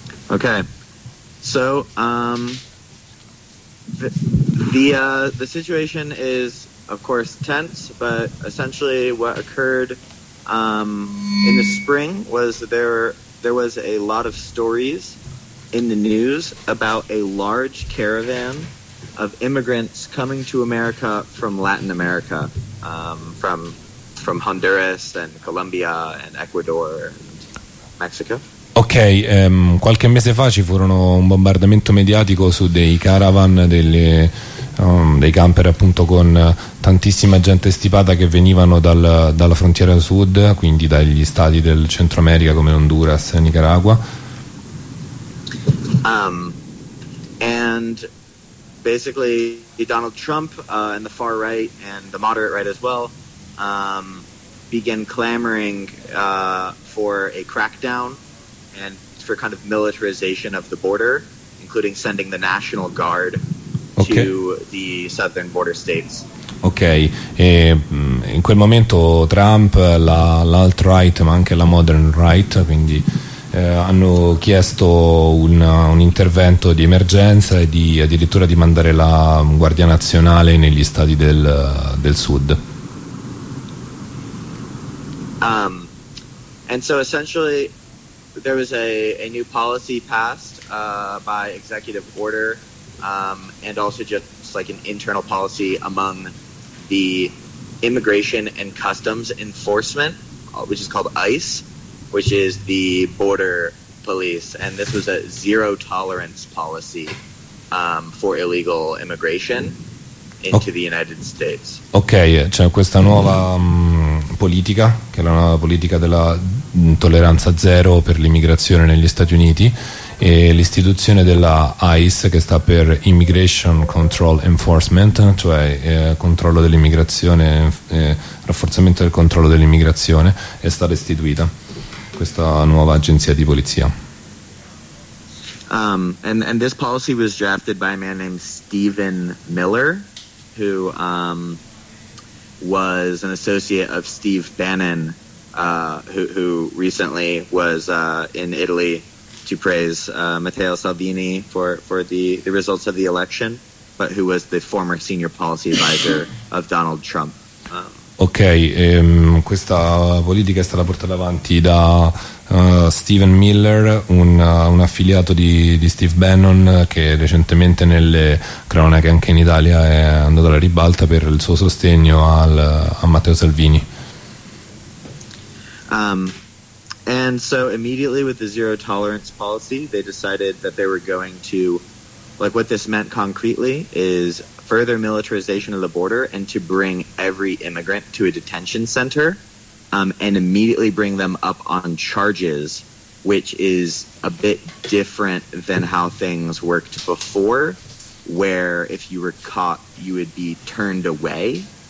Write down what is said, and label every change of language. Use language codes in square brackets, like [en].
[en] Okay, so the situation is, of course, tense, but essentially what occurred in the spring was there was a lot of stories in the news about a large caravan of immigrants coming to America from Latin America. From Honduras and Colombia and Ecuador and Mexico. [it] Ok, qualche mese fa ci furono un bombardamento mediatico su dei caravan, dei camper appunto con tantissima gente stipata che venivano dalla frontiera sud, quindi dagli stati del Centro America come Honduras e Nicaragua. [en] And basically Donald Trump and the far right and the moderate right as well began clamoring for a crackdown and for kind of militarization of the border, including sending the National Guard to the southern border states. [it] Ok, e in quel momento Trump, l'alt-right ma anche la modern right, quindi hanno chiesto un intervento di emergenza e addirittura di mandare la Guardia Nazionale negli stati del sud. [en] And so essentially there was a new policy passed by executive order and also just like an internal policy among the Immigration and Customs Enforcement, which is called ICE, which is the border police, and this was a zero tolerance policy for illegal immigration into the United States. [it] Ok, c'è questa nuova politica, che è la nuova politica della tolleranza zero per l'immigrazione negli Stati Uniti, e l'istituzione della ICE, che sta per Immigration Control Enforcement, cioè controllo dell'immigrazione, rafforzamento del controllo dell'immigrazione, è stata istituita. Questa nuova agenzia di polizia. [en] And this policy was drafted by a man named Stephen Miller, who was an associate of Steve Bannon, who recently was in Italy to praise Matteo Salvini for the results of the election, but who was the former senior policy advisor of Donald Trump. [it] Ok, questa politica è stata portata avanti da Stephen Miller, un affiliato di Steve Bannon, che recentemente nelle cronache anche in Italia è andato alla ribalta per il suo sostegno a Matteo Salvini. [en] And so immediately with the zero tolerance policy, they decided that they were going to, like, what this meant concretely is further militarization of the border and to bring every immigrant to a detention center and immediately bring them up on charges, which is a bit different than how things worked before, where if you were caught, you would be turned away.